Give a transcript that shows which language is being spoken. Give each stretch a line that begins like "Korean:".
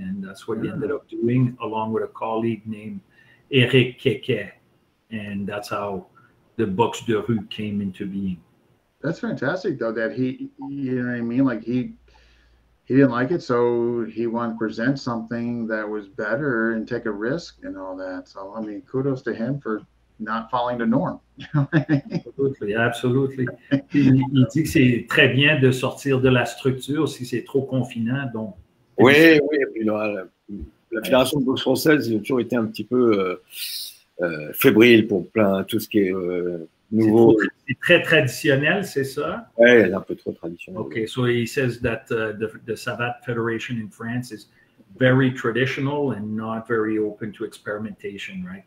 English: And that's what he ended up doing, along with a colleague named Eric Keke, and that's how the Boxe de Rue came into being. That's fantastic, though, that he, you know what I mean, like, he didn't like it, so he wanted to present something that was better and take a risk and all that. So, I mean, kudos to him for not following the norm. Absolutely, absolutely.
French: Il dit que c'est très bien de sortir de la structure si c'est trop confinant. Donc, oui, puis, non, la Fédération de boxe française a toujours été un petit peu fébrile pour plein tout ce qui est nouveau. C'est très traditionnel, c'est ça? Oui, elle est un peu trop traditionnelle.
English: OK, so he says that the Savate Federation in France is very traditional and not very open to experimentation, right?